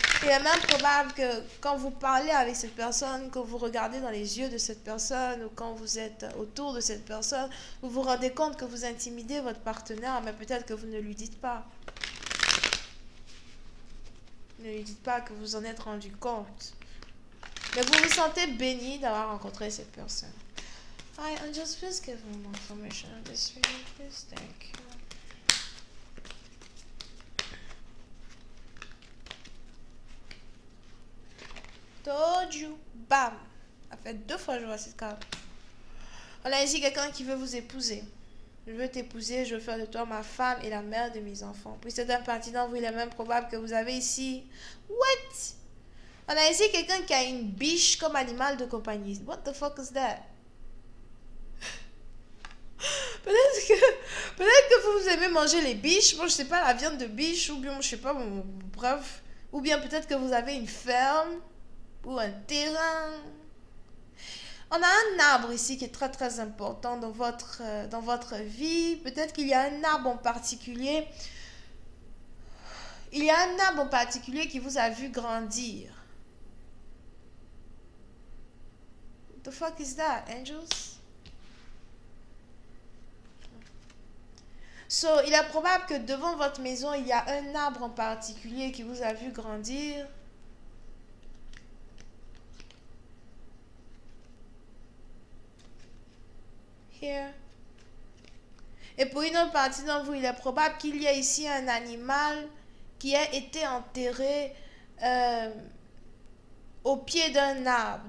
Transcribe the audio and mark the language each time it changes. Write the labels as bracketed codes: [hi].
[fr] Il est même probable que quand vous parlez avec cette personne, que vous regardez dans les yeux de cette personne ou quand vous êtes autour de cette personne, vous vous rendez compte que vous intimidez votre partenaire, mais peut-être que vous ne lui dites pas. Ne lui dites pas que vous en êtes rendu compte. Mais vous vous sentez béni d'avoir rencontré cette personne. [en] Hi, I'm just please give me more information on this video, please. Thank you. Told you. Bam. [fr] Ça fait deux fois que je vois cette carte. On a ici quelqu'un qui veut vous épouser. Je veux t'épouser, je veux faire de toi ma femme et la mère de mes enfants. Puis c'est un parti d'entre vous, il est même probable que vous avez ici. [en] What? [fr] On a ici quelqu'un qui a une biche comme animal de compagnie. [en] What the fuck is that? [fr] Peut-être que vous aimez manger les biches. Bon, je sais pas, la viande de biche. Ou bien, je sais pas, bon, bref. Ou bien peut-être que vous avez une ferme. Ou un terrain. On a un arbre ici qui est très très important dans votre vie. Peut-être qu'il y a un arbre en particulier. Il y a un arbre en particulier qui vous a vu grandir. [en] What the fuck is that, angels? [fr] So, il est probable que devant votre maison, il y a un arbre en particulier qui vous a vu grandir. [en] Here. [fr] Et pour une autre partie d'entre vous, il est probable qu'il y ait ici un animal qui a été enterré au pied d'un arbre.